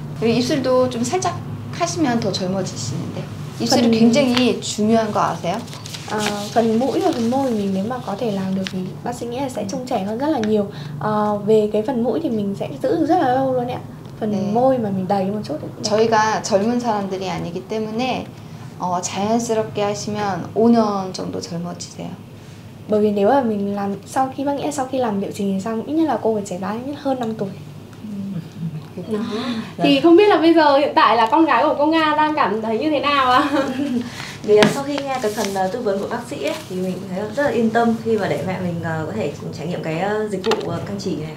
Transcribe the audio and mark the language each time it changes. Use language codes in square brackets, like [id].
[ko] 입술도 좀 살짝 하시면 더 젊어지시는데 입술이 [vi] phần... [ko] 굉장히 중요한 거 아세요? [vi] 아, phần mũi và phần môi mình nếu mà có thể làm được thì bác sĩ nghĩ là sẽ trông trẻ hơn rất là nhiều. Về cái phần mũi thì mình sẽ giữ rất là lâu luôn ạ. Phần [ko] 네. [vi] môi mà mình đầy một chút. [ko] 저희가 젊은 사람들이 아니기 때문에 자연스럽게 하시면 5년 정도 젊어지세요. [vi] Bởi vì nếu mà mình làm sau khi bác nghĩ sau khi làm liệu trình thì xong ít nhất là cô phải trẻ ra ít hơn 5 tuổi. Đó. Thì không biết là bây giờ hiện tại là con gái của cô Nga đang cảm thấy như thế nào ạ? Thì sau khi nghe cái phần tư vấn của bác sĩ ấy, thì mình thấy rất là yên tâm khi mà để mẹ mình có thể cùng trải nghiệm cái dịch vụ căng chỉ này.